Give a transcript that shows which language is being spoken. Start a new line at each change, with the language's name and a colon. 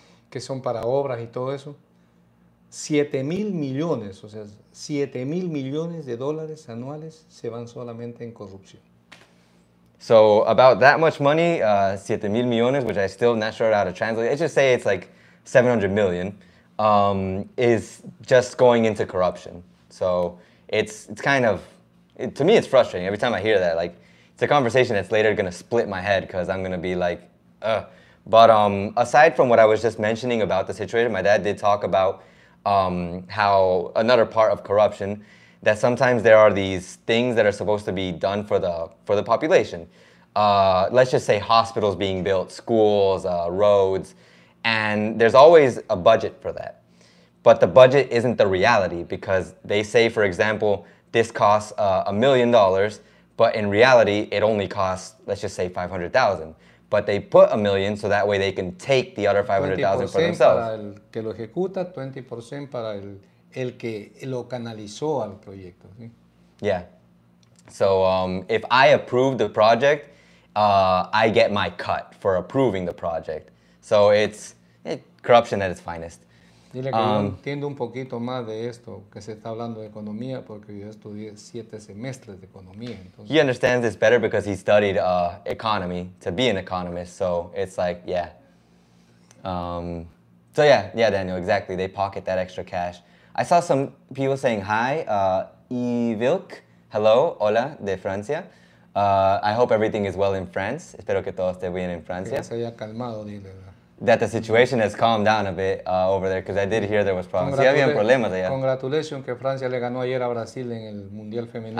Spanish: que son para obras y todo eso, 7 mil millones, o sea, 7 mil millones de dólares anuales se van solamente en corrupción.
English: So about that much money,
Spanish: 7 mil millones,
English: which I still not sure how to translate. Let's just say it's like 700 million, is just going into corruption. So it's kind of, to me, it's frustrating every time I hear that. Like it's a conversation that's later gonna split my head because I'm gonna be like, ugh. But aside from what I was just mentioning about the situation, my dad did talk about how another part of corruption. That sometimes there are these things that are supposed to be done for the population. Let's just say hospitals being built, schools, roads, and there's always a budget for that. But the budget isn't the reality because they say, for example, this costs $1 million, but in reality, it only costs, let's just say, 500,000. But they put a million so that way they can take the other 500,000 for
Spanish: 20%
English: themselves.
Spanish: para el que lo ejecuta, 20% para el que lo canalizó al proyecto, ¿sí?
English: Yeah. So if I approve the project, I get my cut for approving the project. So it's corruption at its finest.
Spanish: Dile que yo entiendo un poquito más de esto, que se está hablando de economía, porque yo estudié 7 semestres de economía,
English: He
Spanish: entonces.
English: understands this better because he studied economy to be an economist. So it's like, yeah. So yeah, Daniel, exactly. They pocket that extra cash. I saw some people saying hi, Ivilk, hello,
Spanish: hola, de Francia.
English: I hope everything is well in France.
Spanish: Espero que todo esté bien en Francia. Que se haya calmado, dile.
English: That the situation has calmed down a bit over there, because I did hear there was problems.
Spanish: Sí, había problemas allá.
English: Congratulations
Spanish: que Francia le ganó ayer a Brasil en el Mundial Femenino.